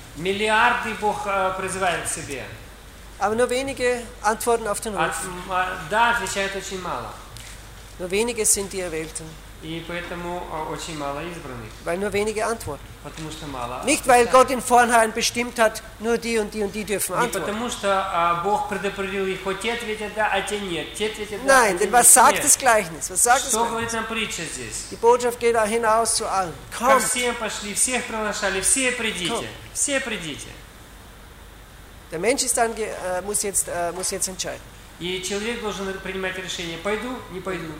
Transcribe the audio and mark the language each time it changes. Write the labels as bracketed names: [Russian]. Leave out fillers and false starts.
[Russian] Миллиарды Бог призывает к себе. [German] Aber nur wenige antworten auf den Ruf. [Russian] Да, отвечает очень мало. [German] Nur wenige sind die Erwählten. [Russian] И поэтому очень мало избранных. [German] Weil nur wenige antworten. [Russian] Потому что мало. [German] Nicht weil Gott in vornherein bestimmt hat, nur die und die und die dürfen antworten. [Russian] Не потому что Бог предопределил их, хоть те ответят да, а те нет. Те ответят да. [German] Nein, denn was sagt das Gleichnis? Was sagt [Russian] что говорит нам притча здесь? [German] Die Botschaft geht hinaus zu allen. Komm. [Russian] Ко всем пошли, всех приглашали, все придите. [German] Komm. [Russian] Все придите. [German] Der Mensch ist dann muss jetzt entscheiden. [Russian] И человек должен принимать решение, пойду, не пойду.